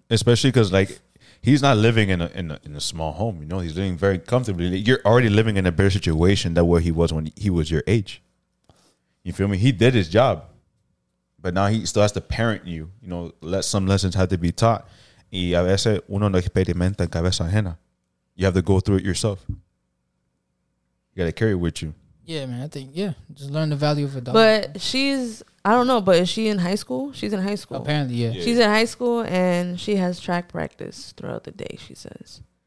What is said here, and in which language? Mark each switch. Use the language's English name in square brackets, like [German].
[English] Especially because like, he's not living in a small home, you know. He's living very comfortably. You're already living in a better situation than where he was when he was your age. You feel me? He did his job, but now he still has to parent you. You know, let some lessons have to be taught. [Spanish] Y a veces uno no experimenta en cabeza ajena. [English] You have to go through it yourself. You got to carry it with you. Yeah, man. I think yeah. Just learn the value of a dog. But she's. I don't know, but is she in high school? She's in high school. Apparently, yeah. She's in high school, and she has track practice throughout the day, she says.